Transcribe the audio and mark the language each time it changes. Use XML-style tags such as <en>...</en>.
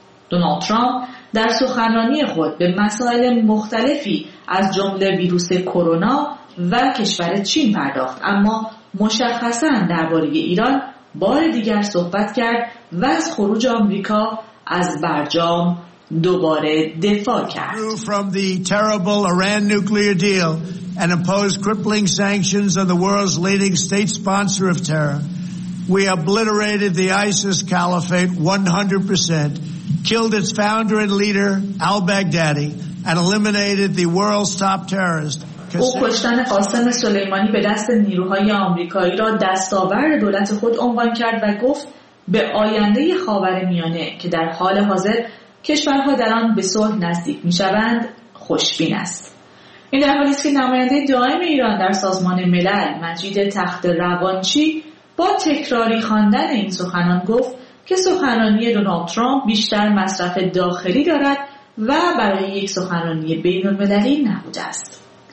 <fa>دونالد ترامپ در سخنرانی خود به مسائل مختلفی از جمله ویروس کرونا و کشور چین پرداخت، اما مشخصاً درباره ایران بار دیگر صحبت کرد و از خروج آمریکا از برجام دوباره دفاع کرد.</fa> <en>From the terrible Iran nuclear deal and imposed crippling sanctions on the world's leading state sponsor of terror, we obliterated the ISIS caliphate 100%, killed its founder and leader al-Baghdadi, and eliminated the world's top terrorist.</en> <fa>او کشتن قاسم سلیمانی به دست نیروهای آمریکایی را دستاورد دولت خود عنوان کرد و گفت به آینده خاورمیانه که در حال حاضر کشورها در آن به صلح نزدیک می‌شوند خوشبین است. این در حالی است که نماینده دائم ایران در سازمان ملل مجید تخت روانچی با تکراری خواندن این سخنان گفت که سخنانی دونالد ترامپ بیشتر مصرف داخلی دارد و برای یک سخنانی بین‌المللی نبوده است.</fa>